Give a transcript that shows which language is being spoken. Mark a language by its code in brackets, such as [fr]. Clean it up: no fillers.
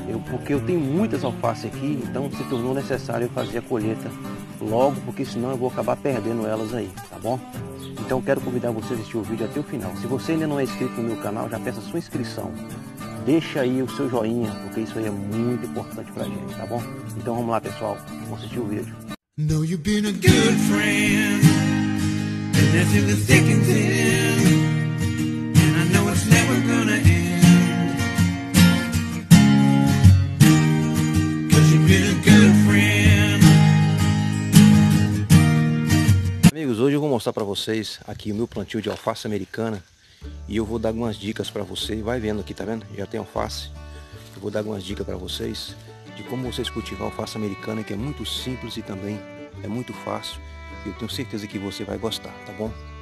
[pt] Porque eu tenho muitas alfaces aqui, então se tornou necessário fazer a colheita logo, porque senão eu vou acabar perdendo elas aí, tá bom? Então quero convidar você a assistir o vídeo até o final. Se você ainda não é inscrito no meu canal, já peça sua inscrição. Deixa aí o seu joinha, porque isso aí é muito importante pra gente, tá bom? Então vamos lá, pessoal. Vamos assistir o vídeo. [en] Know you've been a good friend, been there through the thick and thin, and I know it's never gonna end. 'Cause you've been a good friend. [pt] Amigos, hoje eu vou mostrar para vocês aqui o meu plantio de alface americana e eu vou dar algumas dicas para você. Vai vendo aqui, tá vendo? Já tem alface. Eu vou dar algumas dicas para vocês de como vocês cultivar alface americana, que é muito simples e também é muito fácil, e eu tenho certeza que você vai gostar, tá bom?